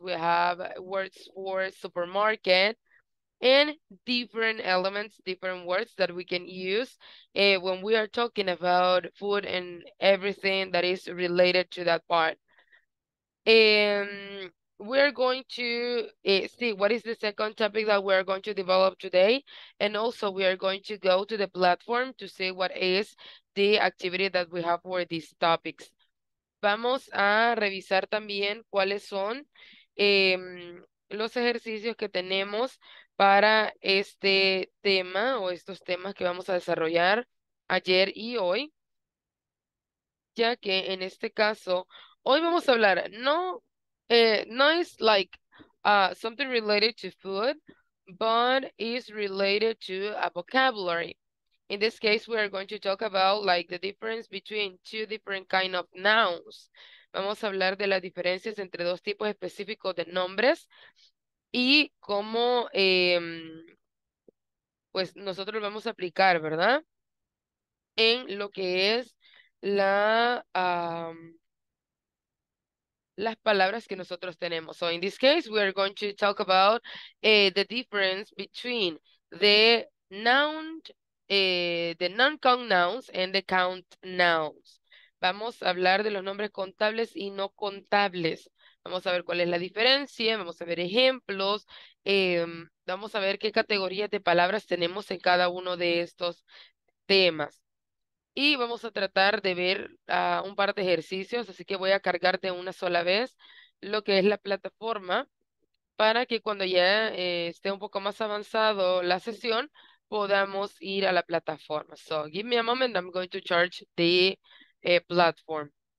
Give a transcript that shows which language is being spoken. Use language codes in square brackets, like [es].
[en] We have words for supermarket. And different elements, different words that we can use when we are talking about food and everything that is related to that part. And we're going to see what is the second topic that we're going to develop today. And also, we are going to go to the platform to see what is the activity that we have for these topics. [es] Vamos a revisar también cuáles son los ejercicios que tenemos para este tema o estos temas que vamos a desarrollar ayer y hoy, ya que en este caso, hoy vamos a hablar, no es [en] like something related to food, but is related to a vocabulary. In this case, we are going to talk about like the difference between two different kind of nouns. [es] Vamos a hablar de las diferencias entre dos tipos específicos de nombres. Y cómo, pues nosotros lo vamos a aplicar, ¿verdad? En lo que es las palabras que nosotros tenemos. So, in this case, we are going to talk about the difference between the noun, the non-count nouns and the count nouns. Vamos a hablar de los nombres contables y no contables. Vamos a ver cuál es la diferencia, vamos a ver ejemplos, vamos a ver qué categorías de palabras tenemos en cada uno de estos temas. Y vamos a tratar de ver un par de ejercicios, así que voy a cargar de una sola vez lo que es la plataforma para que cuando ya esté un poco más avanzado la sesión, podamos ir a la plataforma. [en] So, give me a moment, I'm going to charge the platform.